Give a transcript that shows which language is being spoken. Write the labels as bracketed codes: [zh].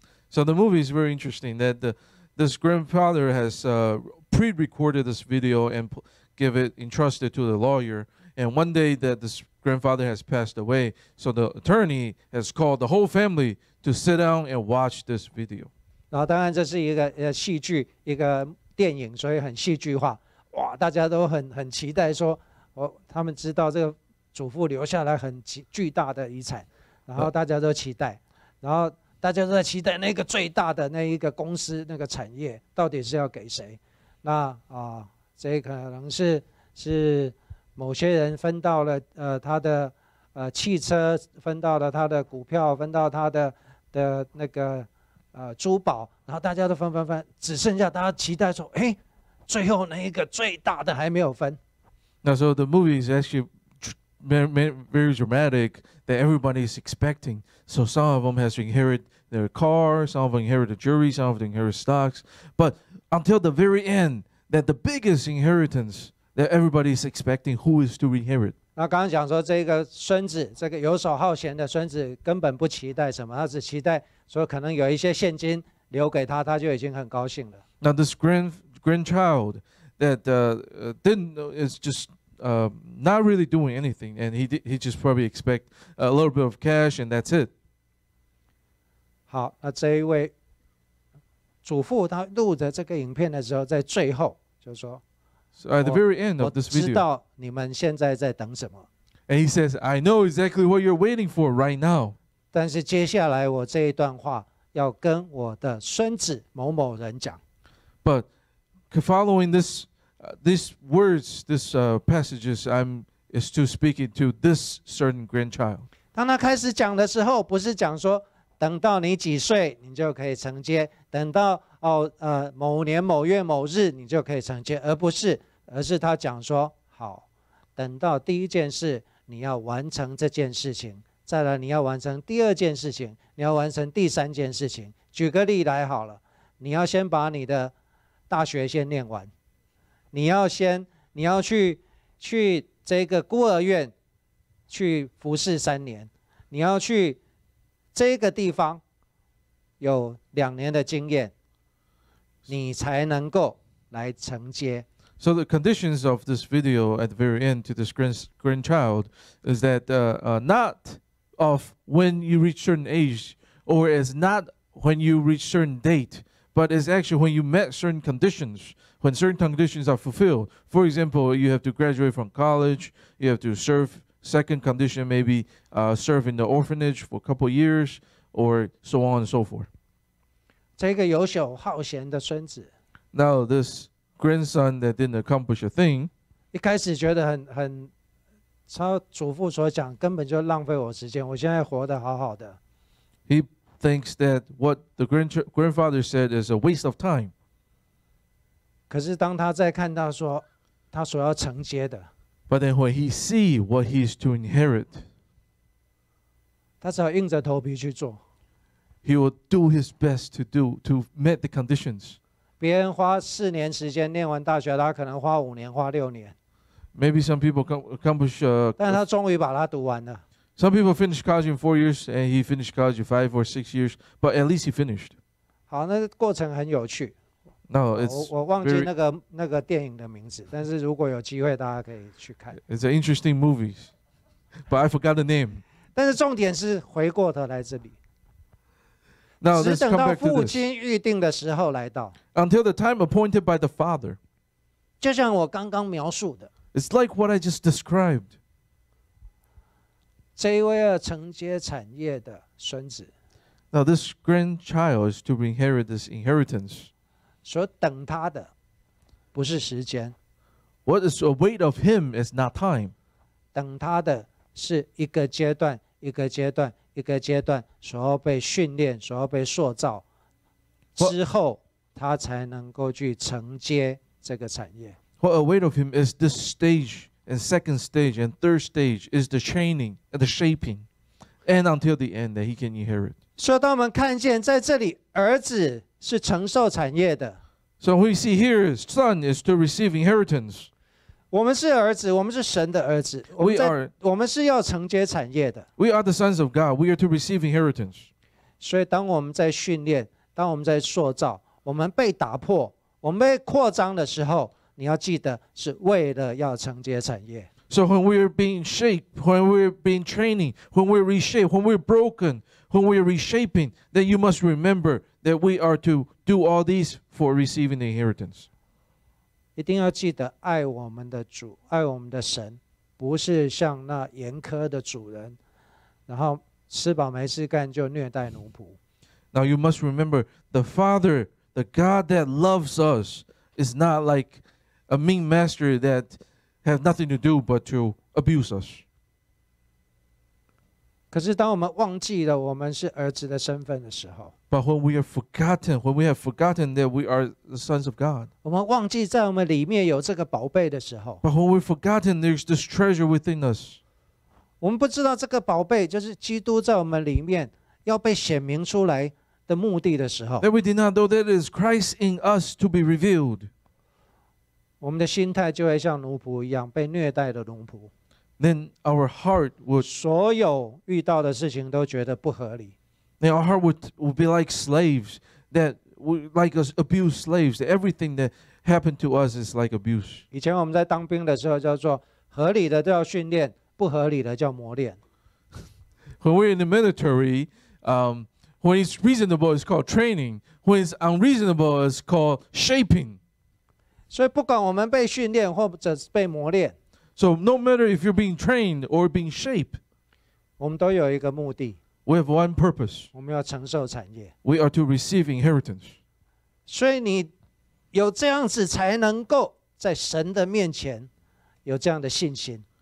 [en] So the movie is very interesting that this grandfather has pre-recorded this video and give it entrusted to the lawyer, and one day that this grandfather has passed away, so the attorney has called the whole family to sit down and watch this video. [zh] 然后当然这是一个戏剧，一个电影，所以很戏剧化。哇，大家都很期待说，他们知道这个祖父留下来很巨大的遗产，然后大家都期待，然后大家都在期待那个最大的那一个公司那个产业到底是要给谁？那这可能是。某些人分到了他的汽车分到了他的股票分到他 的那个珠宝然后大家都分只剩下大家期待说哎最后那一个最大的还没有分。 [en] Now, so the movie is actually very dramatic that everybody is expecting. So some of them has inherited their car, some of them inherited the jewelry, some of them inherited stocks. But until the very end, that the biggest inheritance,That everybody is expecting who is to inherit. [zh] 那刚刚讲说这个孙子，这个游手好闲的孙子根本不期待什么，他只期待说可能有一些现金留给他，他就已经很高兴了。 [en] Now this grandchild that is just not really doing anything, and he just probably expect a little bit of cash, and that's it. [zh] 好，那这一位祖父他录着这个影片的时候，在最后就说。 [en] So at the very end of this video, [zh] 我知道你们现在在等什么。 [en] And he says, "I know exactly what you're waiting for right now." [zh] 但是接下来我这一段话要跟我的孙子某某人讲。 [en] But following this, these words, these passages, is to speak it to this certain grandchild. [zh] 当他开始讲的时候，不是讲说等到你几岁你就可以承接，等到。某年某月某日你就可以承接而是他讲说好等到第一件事你要完成这件事情再来你要完成第二件事情，你要完成第三件事情。举个例来好了，你要先把你的大学先念完，你要去这个孤儿院去服侍三年，你要去这个地方有两年的经验，你才能够来承接。 [en] So the conditions of this video at the very end to this grandchild is that not of when you reach certain age, or is not when you reach certain date, but is actually when you met certain conditions, when certain conditions are fulfilled. For example, you have to graduate from college, you have to serve. Second condition, maybe serve in the orphanage for a couple years, or so on and so forth. [zh] 这个游手好闲的孙子。 [en] Now this. Grandson that didn't accomplish a thing. [zh] 一开始觉得很，超祖父所讲，根本就浪费我时间。我现在活得好好的。 [en] He thinks that what the grandfather said is a waste of time. [zh] 可是当他再看到说他所要承接的 [en] ，But then when he see what he's to inherit, [zh] 他只好硬着头皮去做。 [en] He will do his best to meet the conditions. [zh] 别人花四年时间念完大学，他可能花五年、花六年。 [en] Maybe some people accomplish. [zh] 但他终于把它读完了。 [en] Some people finish college in 4 years, and he finished college in 5 or 6 years. But at least he finished. [zh] 好，那过程很有趣。 [en] No, it's [zh] 我忘记那个电影的名字，但是如果有机会，大家可以去看。 [en] It's an interesting movie, but I forgot the name. [zh] 但是重点是回过头来这里。 [en] Now, [zh] 只等到父亲预定的时候来到。 [en] Until the time appointed by the father. [zh] 就像我刚刚描述的。 [en] It's like what I just described. [zh] 这一位要承接产业的孙子。 [en] Now, this grandchild is to inherit this inheritance. [zh] 所等他的不是时间。 [en] What is await of him is not time. [zh] 等他的是一个阶段，一个阶段。一个阶段所要被训练所要被塑造之后他才能够去承接这个产业。 [en] What await of him is this stage and second stage and third stage is the training and the shaping and until the end that he can inherit. [zh] 所以当我们看见在这里儿子是承受产业的。 [en] So we see here son is to receive inheritance. [zh] 我们是儿子，我们是神的儿子。我们是要承接产业的。 [en] We are the sons of God. We are to receive inheritance. [zh] 所以，当我们在训练，当我们在塑造，我们被打破，我们被扩张的时候，你要记得是为了要承接产业。 [en] So when we are being shaped, when we are being training, when we are reshaped, when we are broken, when we are reshaping, then you must remember that we are to do all these for receiving the inheritance. [zh] 一定要记得爱我们的主，爱我们的神，不是像那严苛的主人，然后吃饱没事干就虐待奴仆。 [en] Now you must remember the Father, the God that loves us, is not like a mean master that have nothing to do but to abuse us. [zh] 可是当我们忘记了我们是儿子的身份的时候。 [en] But when we are forgotten, when we have forgotten that we are the sons of God, [zh] 我们忘记在我们里面有这个宝贝的时候。 [en] But when we've forgotten there's this treasure within us, [zh] 我们不知道这个宝贝就是基督在我们里面要被显明出来的目的的时候。 [en] That we did not know that is Christ in us to be revealed. [zh] 我们的心态就会像奴仆一样，被虐待的奴仆。 [en] Then our heart would [zh] 所有遇到的事情都觉得不合理。 [en] Then our heart would be like slaves, that like us abused slaves. Everything that happened to us is like abuse. [zh] 以前我们在当兵的时候叫做合理的叫训练，不合理的叫磨练。 [en] When we're in the military, when it's reasonable, it's called training. When it's unreasonable, it's called shaping. [zh] 所以不管我们被训练或者是被磨练。 [en] So no matter if you're being trained or being shaped, [zh] 我们都有一个目的。 [en] We have one purpose. [zh] 我们要承受产业。 [en] We are to receive inheritance. [zh] 所以你有这样子才能够在神的面前有这样的信心。